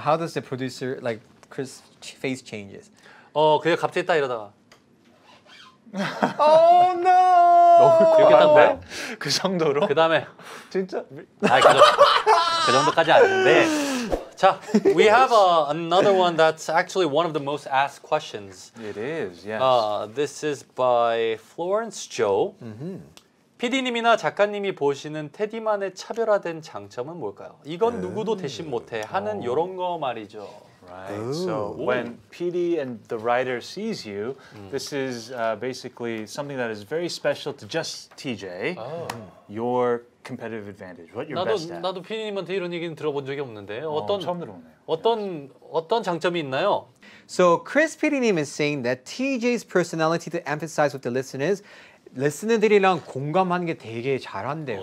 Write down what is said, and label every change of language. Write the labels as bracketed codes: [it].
[en] How does the producer like Chris face changes? [ko] 그냥 갑자기 딱 이러다가 [en] Oh no! [ko] 너무 귀엽게 딱 봐요? 그 정도로? 그 다음에 진짜? 아니, 그 정도까지 아닌데 자, [en] we have another one that's actually one of the most asked questions. It is, yes. This is by Florence Joe. [ko] PD님이나 작가님이 보시는 테디만의 차별화된 장점은 뭘까요? 이건 누구도 대신 못해 하는 이런 거 말이죠. [en] Right, so when PD and the writer sees you, this is basically something that is very special to just TJ. Your competitive advantage. What you're best at. [ko] 나도 PD님한테 이런 얘기는 들어본 적이 없는데 어떤 처음 들어보네요. 어떤 장점이 있나요? [en] So Chris PD님 is saying that TJ's personality to emphasize with the listeners. [ko] 레슨들이랑 공감하는 게 되게 잘한대요.